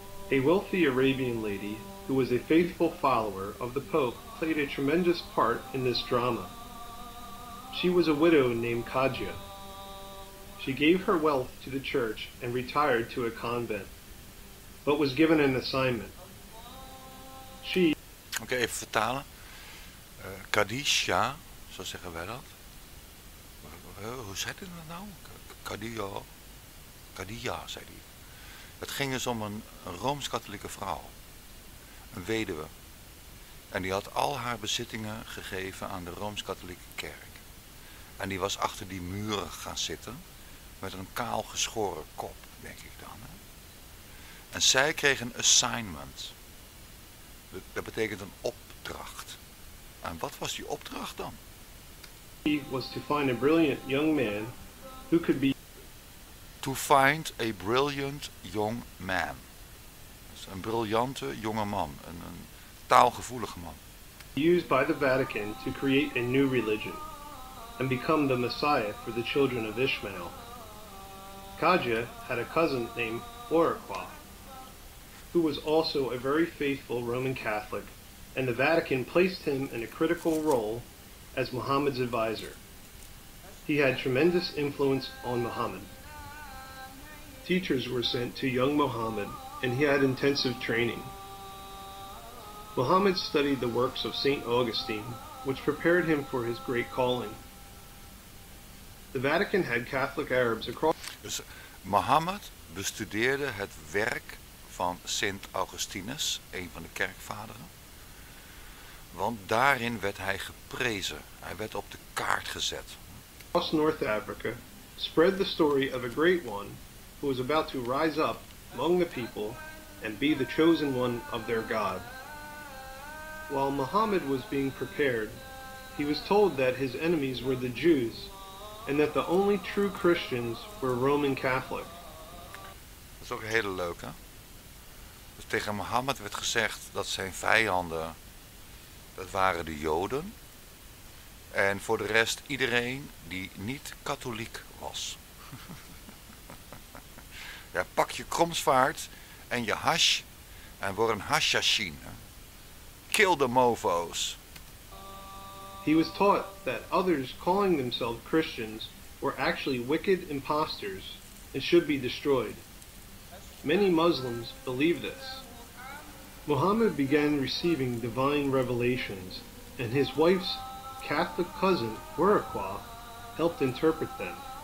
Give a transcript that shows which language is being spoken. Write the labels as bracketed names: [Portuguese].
[English] A wealthy Arabian lady, who was a faithful follower of the Pope, played a tremendous part in this drama. She was a widow named Kadia. She gave her wealth to the church and retired to a convent, but was given an assignment. She... [Dutch] Okay, even vertalen. Kadisha, zo zeggen wij dat. Hoe zei hij dat nou? Kadia. Kadia, zei hij. Het ging dus om een Rooms-Katholieke vrouw. Een weduwe. En die had al haar bezittingen gegeven aan de Rooms-Katholieke kerk. En die was achter die muren gaan zitten met een kaal geschoren kop, denk ik dan. Hè? En zij kreeg een assignment. Dat betekent een opdracht. En wat was die opdracht dan? [English] He was to find a brilliant young man who could be... To find a brilliant young man. [Dutch] Dus een briljante jonge man, een taalgevoelige man. [English] Used by the Vatican to create a new religion and become the Messiah for the children of Ishmael. Kadia had a cousin named Oroqua, who was also a very faithful Roman Catholic, and the Vatican placed him in a critical role as Muhammad's advisor. He had tremendous influence on Muhammad. Teachers were sent to young Muhammad, and he had intensive training. Muhammad studied the works of St. Augustine, which prepared him for his great calling. The Vatican had Catholic Arabs across. [Dutch] Dus Mohammed bestudeerde het werk van Sint Augustinus, een van de kerkvaderen. Want daarin werd hij geprezen. Hij werd op de kaart gezet. [English] Across North Africa spread the story of a great one who was about to rise up among the people and be the chosen one of their God. While Muhammad was being prepared, he was told that his enemies were the Jews and that the only true Christians were Roman Catholic. [Dutch] Dat is ook heel leuk, hè? Dus tegen Muhammad werd gezegd dat zijn vijanden, dat waren de Joden. En voor de rest iedereen die niet katholiek was. Ja, pak je kromsvaart en je hash en word een hashashin. [English] Kill the mofos. He was taught that others calling themselves Christians were actually wicked imposters and should be destroyed. Many Muslims believe this. Muhammad began receiving divine revelations, and his wife's Catholic cousin, Wariqua, helped interpret them.